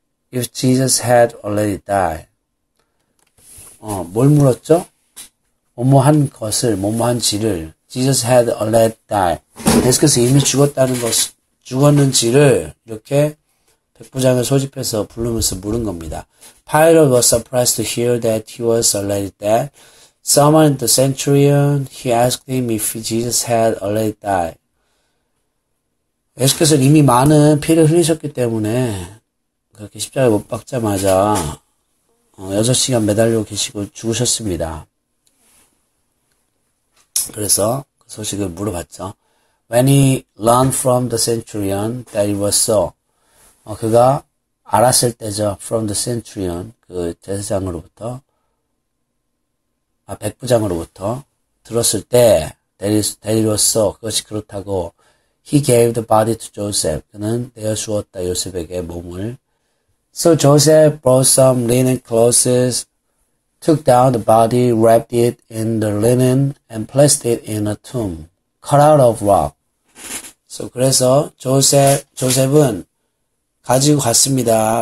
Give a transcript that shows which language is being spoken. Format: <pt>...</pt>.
<en>If Jesus had already died.</en> <ko>뭘 물었죠? 뭐뭐한 것을, 뭐뭐한 지를,</ko> <en>Jesus had already died.</en> <ko>예수께서 이미 죽었다는 것, 죽었는 지를 이렇게 백부장을 소집해서 부르면서 물은 겁니다.</ko> <en>Pilate was surprised to hear that he was already dead. Summoned the centurion, he asked him if Jesus had already died.</en> <ko>예수께서 이미 많은 피를 흘리셨기 때문에 그렇게 십자가에 못 박자마자 6시간 매달리고 계시고 죽으셨습니다. 그래서 그 소식을 물어봤죠.</ko> <en>When he learned from the centurion that it was so.</en> <ko>그가 알았을 때죠.</ko> <en>From the centurion,</en> <ko>그 제사장으로부터, 백부장으로부터 들었을 때</ko> <en>that it was so.</en> <ko>그것이 그렇다고.</ko> <en>He gave the body to Joseph.</en> <ko>그는 내어주었다. 요셉에게 몸을.</ko> <en>So Joseph brought some linen clothes, took down the body, wrapped it in the linen, and placed it in a tomb, cut out of rock.</en> <ko>So, 그래서 조셉은 가지고 갔습니다.</ko>